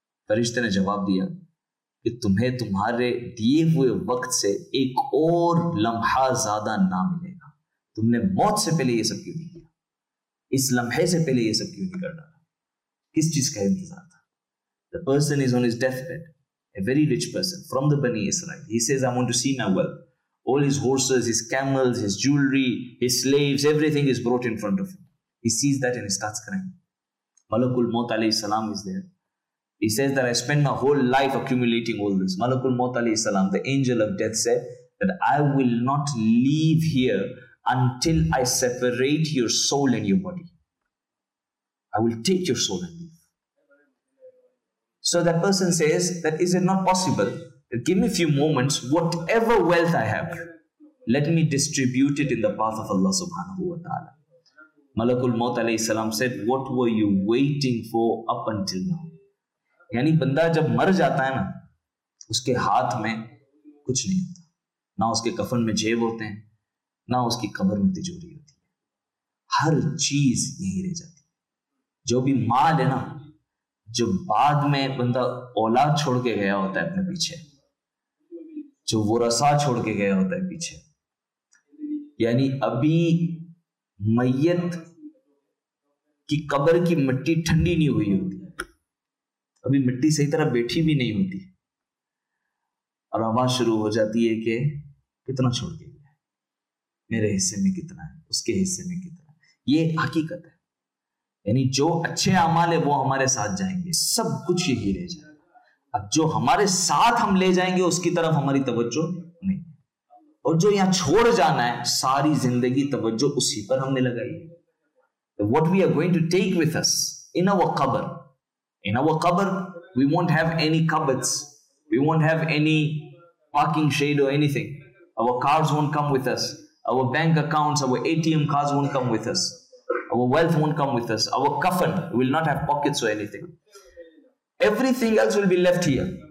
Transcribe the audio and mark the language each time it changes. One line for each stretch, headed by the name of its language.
Urdu: فرشتے نے جواب دیا کہ تمہیں تمہارے دیے ہوئے وقت سے ایک اور لمحہ زیادہ نہ ملے گا. تم نے موت سے پہلے یہ سب کیوں نہیں کیا, اس لمحے سے پہلے یہ سب کیوں نہیں کر ڈالا, کس چیز کا انتظار تھا؟
English: The person is on his deathbed, a very rich person from the Bani Israel. He says, I want to see my wealth. All his horses, his camels, his jewelry, his slaves, everything is brought in front of him. He sees that and he starts crying. Malakul Maut alayhi salam is there. He says that I spent my whole life accumulating all this. Malakul Maut alayhi salam, the angel of death, said that I will not leave here until I separate your soul and your body. I will take your soul and leave. So that person says that is it not possible? Give me a few moments, whatever wealth I have, let me distribute it in the path of Allah subhanahu wa ta'ala. Malakul Maut alayhi salam said, what were you waiting for up until now?
Urdu: یعنی بندہ جب مر جاتا ہے نا اس کے ہاتھ میں کچھ نہیں ہوتا, نہ اس کے کفن میں جیب ہوتے ہیں, نہ اس کی قبر میں تجوری ہوتی ہے, ہر چیز یہیں رہ جاتی. جو بھی مال ہے نا, جو بعد میں بندہ اولاد چھوڑ کے گیا ہوتا ہے اپنے پیچھے, جو ورثہ چھوڑ کے گیا ہوتا ہے پیچھے, یعنی ابھی میت کی قبر کی مٹی ٹھنڈی نہیں ہوئی ہوتی, ابھی مٹی صحیح طرح بیٹھی بھی نہیں ہوتی, اور آواز شروع ہو جاتی ہے کہ کتنا چھوڑ کے گیا ہے, میرے حصے میں کتنا ہے, اس کے حصے میں کتنا ہے. یہ حقیقت ہے, یعنی جو اچھے اعمال ہیں وہ ہمارے ساتھ جائیں گے, سب کچھ یہی رہ جائے گا. اب جو ہمارے ساتھ ہم لے جائیں گے اس کی طرف ہماری توجہ نہیں, اور جو یہاں چھوڑ جانا ہے ساری زندگی توجہ اسی پر ہم نے لگائی ہے.
English: What we are going to take with us in our qabr, in our qabr we won't have any cupboards, we won't have any parking shade or anything, our cars won't come with us, our bank accounts, our ATM cards won't come with us, our wealth won't come with us, our coffin will not have pockets or anything, everything else will be left here.